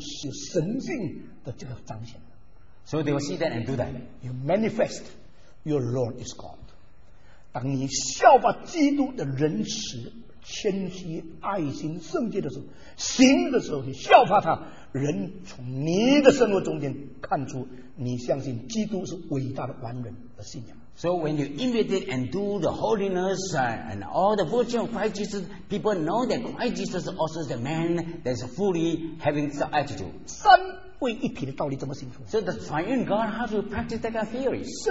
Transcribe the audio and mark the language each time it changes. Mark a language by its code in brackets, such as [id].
[zh] 那么借着你这样敬畏神的对基督的敬畏，人家就能够看出，并且能够行出来，看见你行出是神性的这个彰显。 [en] So they will see that and do that. You manifest your Lord is God. [zh] 当你效法基督的仁慈、谦虚、爱心、圣洁的时候，行的时候你效法他，人从你的生活中间看出你相信基督是伟大的完人的信仰。 [en] So when you imitate and do the holiness and all the virtue of Christ Jesus, people know that Christ Jesus also is the man that is fully having the attitude. So the triune God, how do you practice that kind of theory?